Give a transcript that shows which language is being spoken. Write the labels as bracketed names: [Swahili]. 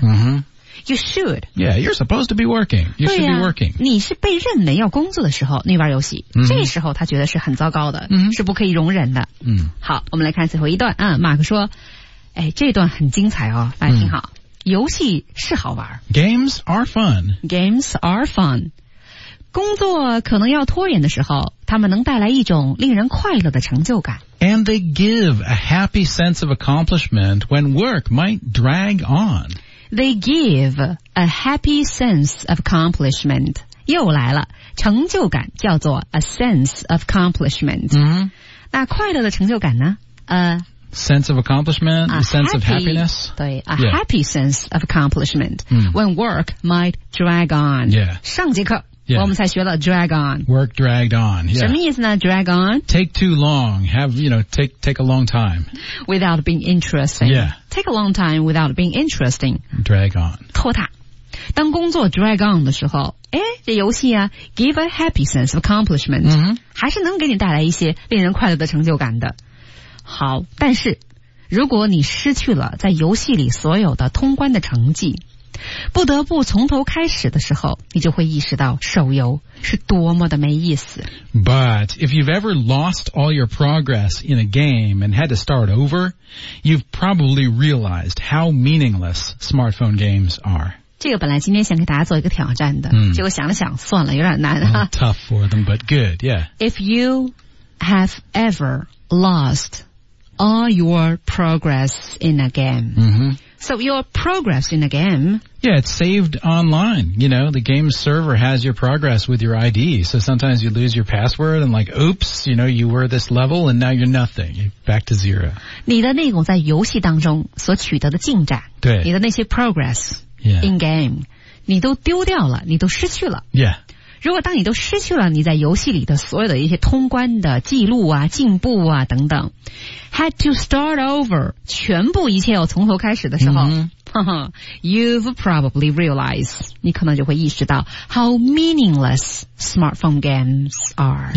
[English] mm-hmm. you should yeah you're supposed to be working you should、啊、 be working [Chinese] 你是被认为要工作的时候你玩游戏、 mm-hmm. 这时候他觉得是很糟糕的、 mm-hmm. 是不可以容忍的、 mm-hmm. 好我们来看最后一段、嗯、马克说哎，这段很精彩哦大家听好、mm-hmm. 游戏是好玩 [English] Games are fun [Chinese] 工作可能要拖延的时候他们能带来一种令人快乐的成就感 [English] And they give a happy sense of accomplishment when work might drag on They give a happy sense of accomplishment [Chinese] 又来了成就感叫做 [English] a sense of accomplishment、 mm-hmm. [Chinese] 那快乐的成就感呢 a [English] sense of accomplishment a sense of happiness 对 a、yeah. happy sense of accomplishment、 mm-hmm. when work might drag on、 yeah. [Chinese] 上节课 [English] Yeah. [Chinese] 我们才学了 drag on. [English] Work dragged on.、Yeah. [Chinese] 什么意思呢 drag on? [English] Take too long. Have, you know, take a long time. Without being interesting. Yeah. Take a long time without being interesting. Drag on. [Chinese] 拖沓。当工作 drag on 的时候诶这游戏啊 [English] give a happy sense of accomplishment.、 Mm-hmm. [Chinese] 还是能给你带来一些令人快乐的成就感的。好但是如果你失去了在游戏里所有的通关的成绩不得不从头开始的时候，你就会意识到手游是多么的没意思。 [English] But if you've ever lost all your progress in a game and had to start over, you've probably realized how meaningless smartphone games are. [Chinese] 这个本来今天想给大家做一个挑战的、结果想了想算了有点难、 [English] Tough for them, but good, yeah. If you have ever lost all your progress in a game,、So your progress in a game... Yeah, it's saved online. You know, the game server has your progress with your ID. So sometimes you lose your password and like, oops, you know, you were this level and now you're nothing. Back to zero. [Chinese] 你的内容在游戏当中所取得的进展。对。你的那些 progress... [English] Yeah. In game, [Chinese] 你都丢掉了，你都失去了。 [English] Yeah. [Chinese] 如果当你都失去了你在游戏里的所有的一些通关的记录啊、进步啊等等 ， [English] had to start over, [Chinese] 全部一切要从头开始的时候、 [English] you've probably realized, [Chinese] 你可能就会意识到 [English] how meaningless smartphone games are.